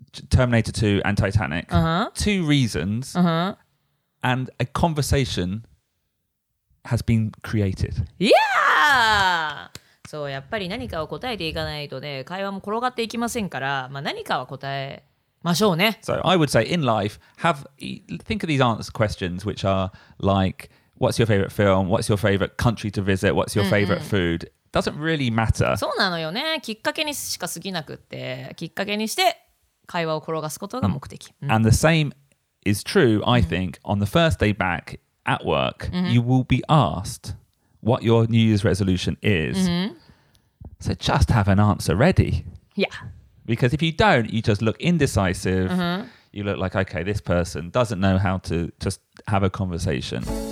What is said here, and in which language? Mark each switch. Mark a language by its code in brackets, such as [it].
[en] Terminator 2 and Titanic. Two reasons. And a conversation has been created. Yeah! [ja] そう、やっぱり何かを答えていかないとね、会話も転がっていきませんから、まあ何かは答え、ましょうね。 [en] So I would say in life, think of these answers questions which are like, what's your favorite film? What's your favorite country to visit? What's your favorite food? Doesn't really matter. [ja] そうなのよね。きっかけにしか過ぎなくって、きっかけにして会話を転がすことが目的。 [en] And the same is true, I think, on the first day back at work, you will be asked what your New Year's resolution is. So just have an answer ready. Yeah. Because if you don't, you just look indecisive. You look like, okay, this person doesn't know how to just have a conversation.